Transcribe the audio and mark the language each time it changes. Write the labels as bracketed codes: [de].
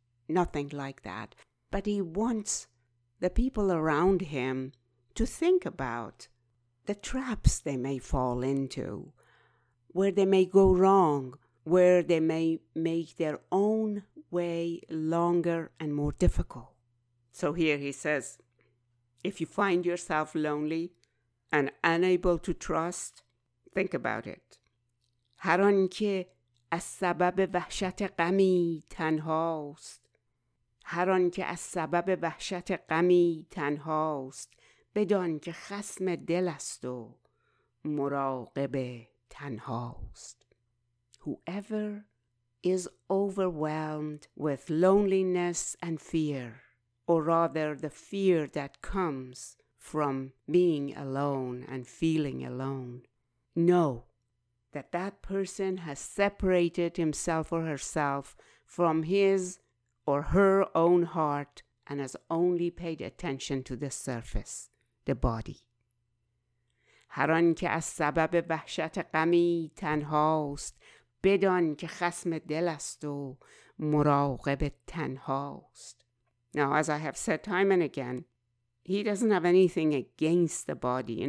[en] Nothing like that. But he wants the people around him to think about the traps they may fall into, where they may go wrong, where they may make their own way longer and more difficult. So here he says, if you find yourself lonely and unable to trust, think about it. [fa] هر آن که از سبب وحشت غمی تنهاست، هر آن که از سبب وحشت غمی تنهاست، بدان که خصم دل است و مراقب تنهاست. [en] Whoever is overwhelmed with loneliness and fear, or rather the fear that comes from being alone and feeling alone, know that that person has separated himself or herself from his or her own heart and has only paid attention to the surface, the body. [fa] هر آن که از سبب وحشت غمی تنهاست، بدان که خصم دل است و مراقب تنهاست. [en] Now, as I have said time and again, he doesn't have anything against the body.